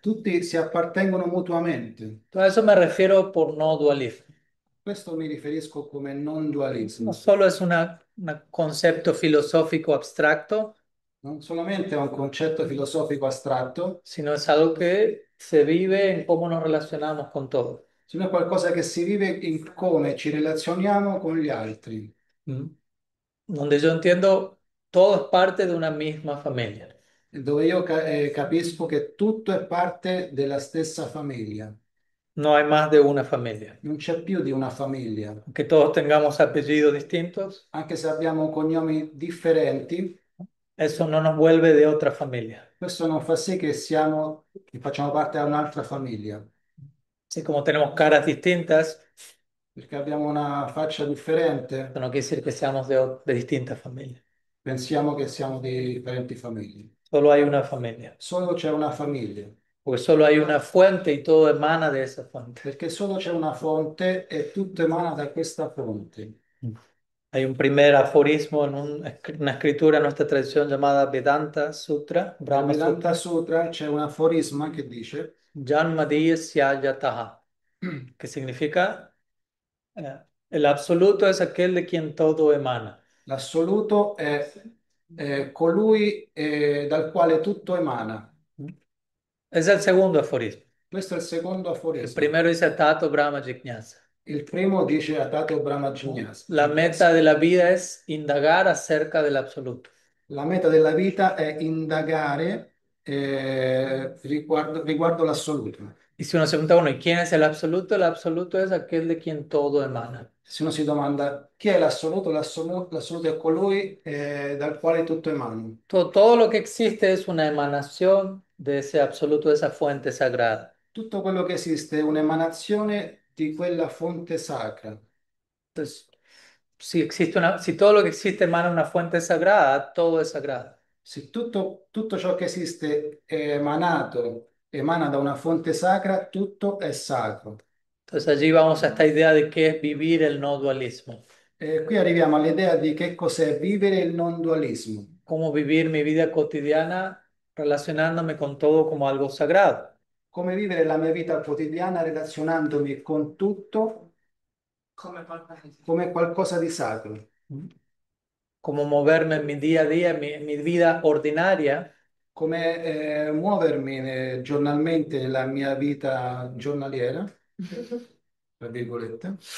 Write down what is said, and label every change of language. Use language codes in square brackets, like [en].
[it] tutti si appartengono mutuamente. [es] Entonces, eso me refiero por no dualismo. [it] Questo mi riferisco come non [es] No [it] dualismo. [es] solo es un concepto filosófico abstracto, [it] Non solamente è un concetto filosofico astratto, [es] sino es algo que se vive en cómo nos relacionamos con todo. [it] sino è qualcosa che si vive in come ci relazioniamo con gli altri. [es] Donde yo entiendo todo es parte de una misma familia. [it] Dove io capisco che tutto è parte della stessa famiglia. Non [es] No hay más de una familia. [it] c'è più di una famiglia. Anche [es] Aunque todos tengamos apellidos distintos, [it] se abbiamo cognomi differenti, [es] eso no nos vuelve de otra familia. [it] questo non fa sì che facciamo parte a un'altra famiglia. Perché [es] Así como tenemos caras distintas, [it] abbiamo una faccia differente, [es] no quiere decir que seamos de distintas familias. [it] pensiamo che siamo di parenti famiglie. [es] Solo hay una familia. [it] Solo c'è una famiglia. Perché [es] Porque solo hay una fuente y todo emana de esa fuente. [it] solo c'è una fonte e tutto emana da questa fonte. [es] Hay un primer aforismo en una escritura en nuestra tradición llamada Vedanta Sutra, [it] Nel Brahma Vedanta Sutra. Sutra c'è un aforisma che dice: [es] Janmadiyasyajataha, [it] che significa [es] el absoluto es aquel de quien todo emana. [it] l'assoluto è colui dal quale tutto emana. Questo [es] Es el segundo aforismo. [it] è il secondo [es] El [it] aforisma. [es] primero dice Tato Brahma Jignasa. [it] Il primo dice Atato Brahma [es] La meta [it] Jignasa. [es] de la vida es indagar acerca del absoluto. [it] La meta della vita è indagare riguardo l'assoluto. [es] Y si uno se pregunta, bueno, ¿y quién es el absoluto? El absoluto es aquel de quien todo emana. [it] Se uno si domanda chi è l'assoluto? L'assoluto è colui dal quale tutto emana. [es] Todo lo que existe es una emanación de ese absoluto, de esa fuente sagrada. [it] Tutto quello che esiste è un'emanazione di quella fonte sacra. [es] Entonces, si todo lo que existe emana una fuente sagrada, todo es sagrado. [it] Se tutto ciò che esiste è emanato, emana da una fonte sacra, tutto è sacro. [es] Entonces, allí vamos a esta idea de qué es vivir el no dualismo. [it] E qui arriviamo all'idea di che cos'è vivere il non dualismo. [es] Cómo vivir mi vida cotidiana relacionándome con todo como algo sagrado. [it] Come vivere la mia vita quotidiana relazionandomi con tutto come qualcosa di sacro. [es] Como moverme en mi día a día, en mi vida ordinaria. [it] Come muovermi giornalmente nella mia vita giornaliera, tra virgolette.